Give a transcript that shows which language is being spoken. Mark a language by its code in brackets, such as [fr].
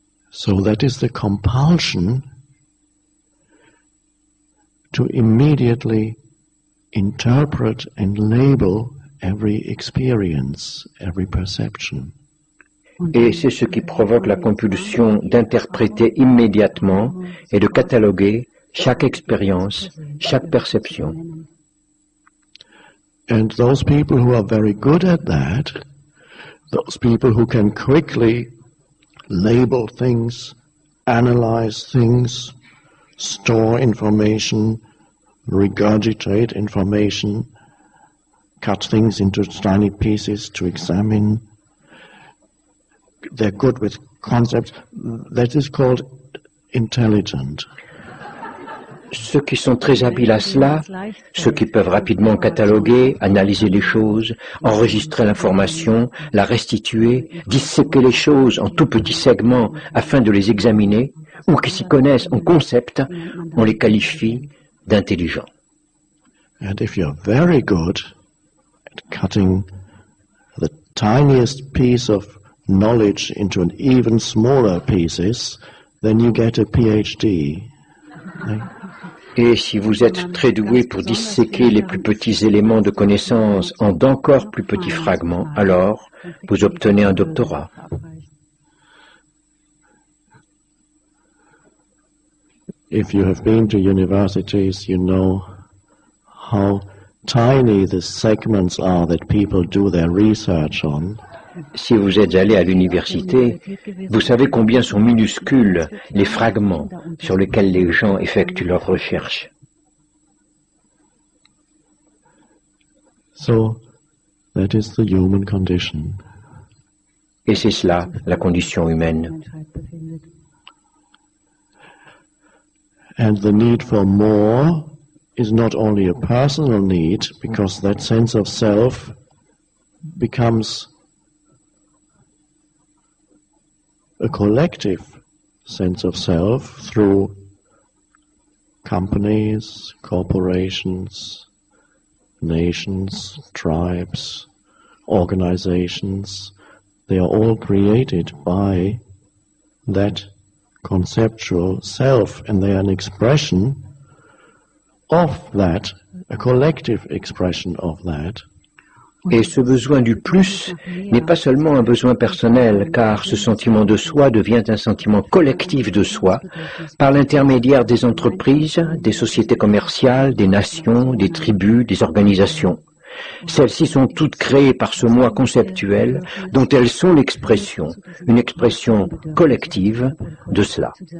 [en] So that is the compulsion to immediately interpret and label every experience, every perception. [fr] Et c'est ce qui provoque la compulsion d'interpréter immédiatement et de cataloguer chaque expérience, chaque perception. [en] And those people who are very good at that, those people who can quickly label things, analyze things, store information, regurgitate information, cut things into tiny pieces to examine. They're good with concepts. That is called intelligent. [fr] Ceux qui sont très habiles à cela, ceux qui peuvent rapidement cataloguer, analyser les choses, enregistrer l'information, la restituer, disséquer les choses en tout petits segments afin de les examiner, ou qui s'y connaissent en concepts, on les qualifie d'intelligents. [en] And if you're very good at cutting the tiniest piece of knowledge into an even smaller pieces, then you get a PhD. [fr] Et si vous êtes très doué pour disséquer les plus petits éléments de connaissance en d'encore plus petits fragments, alors vous obtenez un doctorat. [en] If you have been to universities, you know how tiny the segments are that people do their research on. [fr] Si vous êtes allé à l'université, vous savez combien sont minuscules les fragments sur lesquels les gens effectuent leurs recherches. [en] So, that is the human condition. [fr] Et c'est cela, la condition humaine. [en] And the need for more is not only a personal need, because that sense of self becomes a collective sense of self through companies, corporations, nations, tribes, organizations. They are all created by that conceptual self, and they are an expression of that, a collective expression of that. [fr] Et ce besoin du plus n'est pas seulement un besoin personnel, car ce sentiment de soi devient un sentiment collectif de soi par l'intermédiaire des entreprises, des sociétés commerciales, des nations, des tribus, des organisations. Celles-ci sont toutes créées par ce moi conceptuel dont elles sont l'expression, une expression collective de cela.